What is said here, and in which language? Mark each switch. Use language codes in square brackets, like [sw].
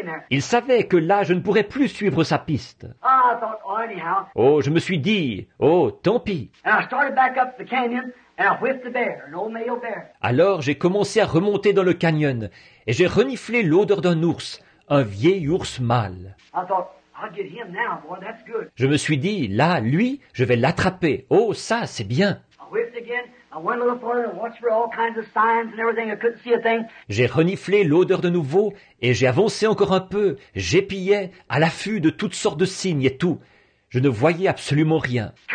[fr] Il savait que là, je ne pourrais plus suivre sa piste. Oh, je me suis dit, oh, tant pis. [en] And I started back up the canyon. And I whiffed the bear, an old male bear. [fr] Alors j'ai commencé à remonter dans le canyon et j'ai reniflé l'odeur d'un ours, un vieil ours mâle. [en] I thought, I'll get him now, boy, that's good. [fr] Je me suis dit, là, lui, je vais l'attraper. Oh, ça, c'est bien. [en] I whiffed again. I went a little farther and watched for all kinds of signs and everything. I couldn't see a thing. [fr] J'ai reniflé l'odeur de nouveau et j'ai avancé encore un peu. J'épiais à l'affût de toutes sortes de signes et tout. Je ne voyais absolument rien.